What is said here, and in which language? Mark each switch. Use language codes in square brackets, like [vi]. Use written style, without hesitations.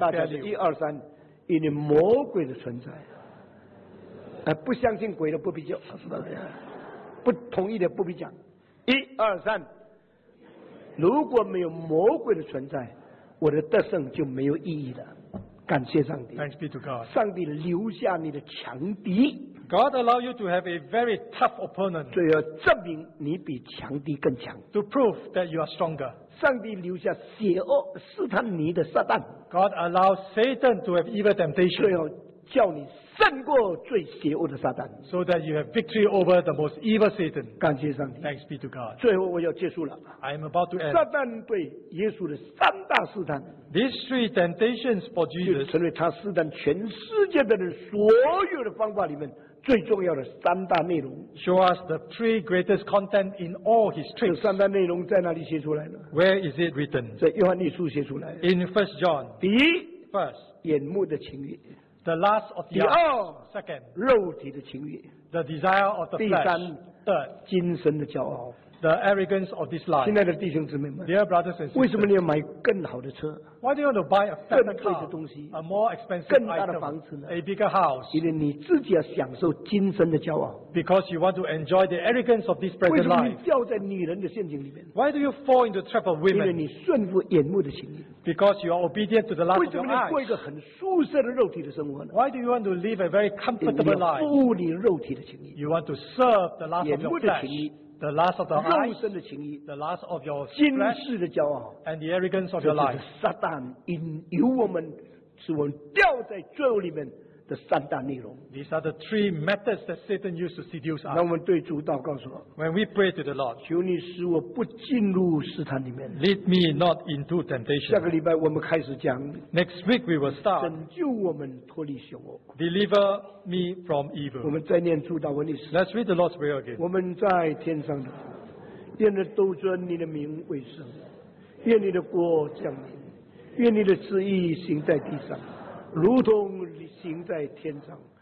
[zh] 大家一二三，因为魔鬼的存在。不相信鬼的不必叫，不同意的不必讲。一二三，如果没有魔鬼的存在，我的得胜就没有意义了。感谢上帝。 [en] Thanks be to God. [zh] 上帝留下你的强敌。 [en] God allow you to have a very tough opponent. [zh] 这要证明你比强敌更强。 [en] To prove that you are stronger. [zh] 上帝留下邪恶试探你的撒旦。 [en] God allow Satan to have evil temptation. [zh] 这要叫你胜过最邪恶的撒旦。 [en] So that you have victory over the most evil Satan. [zh] 感谢上帝。 [en] Thanks be to God. [zh] 最后我要结束了。 [en] I am about to end. [zh] 撒旦对耶稣的三大试探。 [en] These three temptations for Jesus. [zh] 就成为他试探全世界的人所有的方法里面最重要的三大内容。 [en] Show us the three greatest content in all his tricks. [zh] 这三大内容在哪里写出来呢？ [en] Where is it written? [zh] 在约翰一书写出来。 [en] In 1 John. [zh] 第一。 [en] First. [zh] 眼目的情欲。 [en] The last of the second, [zh] 肉体的情欲。 [en] The desire of the flesh. [zh] 第三，的精神的骄傲。 [en] The arrogance of this life. [zh] 亲爱的弟兄姊妹们 [en] ，Dear brothers and sisters, [zh] 为什么你要买更好的车 [en] ？Why do you want to buy a better car? [zh] 更贵的东西 [en] ，a more expensive item, [zh] 更大的房子呢 [en] ？A bigger house. [zh] 因为你自己要享受精神的骄傲。 [en] Because you want to enjoy the arrogance of this present life. [zh] 为什么你掉在女人的陷阱里面 [en] ？Why do you fall into the trap of women? [zh] 因为你顺服眼目的情欲。 [en] Because you are obedient to the lust of your eyes. [zh] 为什么你过一个很舒适的肉体的生活呢 [en] ？Why do you want to live a very comfortable life? [zh] 你要服务你肉体的情欲。 [en] You want to serve the lust of your flesh. [zh] 眼目的情欲。 [en] the lust of the eyes, [zh] 肉身的情欲 [en] the lust of your flesh, [zh] 今世的骄傲 [en] and the arrogance of your life. [zh] 就是撒旦引诱我们，使我们掉在罪恶里面的三大内容。 [en] These are the three methods that Satan used to seduce us. [zh] 那我们对主祷告说 [en] ，When we pray to the Lord, [zh] 求你使我不进入试探里面。 [en] Lead me not into temptation. [zh] 下个礼拜我们开始讲。 [en] Next week we will start. [zh] 拯救我们脱离邪恶。 [en] Deliver me from evil. [zh] 我们再念主祷文的诗。 [en] Let's read the Lord's prayer again. [zh] 我们在天上的父，愿人都尊你的名为圣，愿你的国降临，愿你的旨意行在地上，如同行在天上。